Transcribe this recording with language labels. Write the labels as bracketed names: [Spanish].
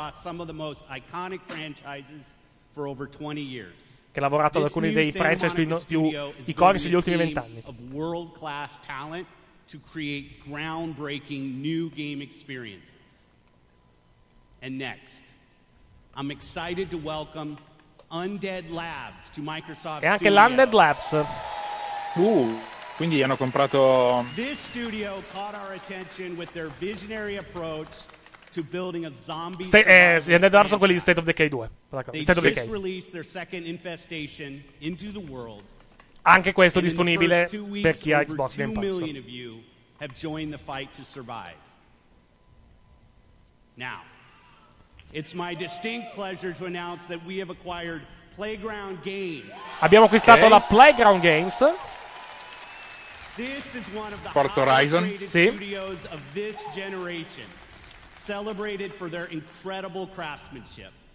[English] some of the most iconic franchises for over 20 years, [Italian] che ha lavorato ad alcuni dei franchise più iconici degli ultimi 20 anni, [English] of world class talent to create groundbreaking new game experiences. And next, I'm excited to welcome Undead Labs to Microsoft [Italian] e anche [English] Studios. [Italian] L'Undead Labs. Quindi hanno comprato. [English] This studio caught our attention with their visionary approach to building a zombie. [Italian] Undead Labs sono quelli di State of Decay 2. [English] State of Decay. Released their second infestation into the world. [Italian] Anche questo è disponibile per chi ha Xbox Game Pass. [English] 2 million of you have joined the fight to survive. Now. It's my distinct pleasure to announce that we have acquired Playground Games. [Italian] Abbiamo acquistato la Playground Games. [English] This is one of the Port Horizon studios of this generation, celebrated for their incredible craftsmanship.